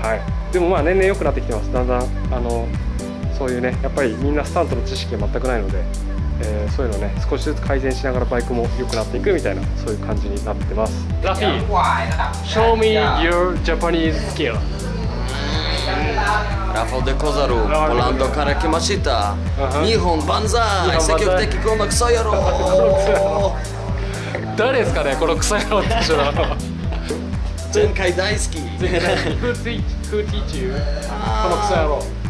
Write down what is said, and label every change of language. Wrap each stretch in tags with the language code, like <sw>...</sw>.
<ja>はい、でもまあ年々良くなってきてます。だんだん、そういうねやっぱりみんなスタントの知識が全くないので、そういうのね少しずつ改善しながらバイクも良くなっていくみたいな、そういう感じになってます。</ja> <en>ラフィー、 Show me your Japanese skill。</en> <ja>ラフォデコザル、ポランドから来ました。日本万歳、積極的こんなクソ野郎。誰ですかね、このクソ野郎って人は。前回大好き。</ja> <en>Who teach you?</en> <ja>このクソ野郎。</ja>